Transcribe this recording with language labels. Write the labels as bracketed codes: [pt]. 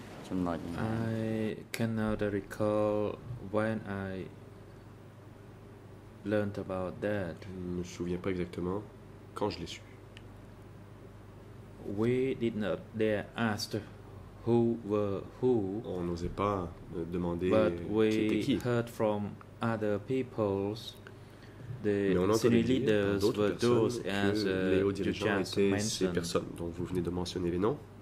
[en] I cannot recall when I learned about that. [fr] Je ne me souviens pas exactement quand je l'ai su. [en] We did not dare ask who were who. [fr] On n'osait pas demander [en] but [fr] qui était qui. [en] But we heard from other peoples. The city leaders were those as you just mentioned, [fr] dont vous venez de mentionner les noms.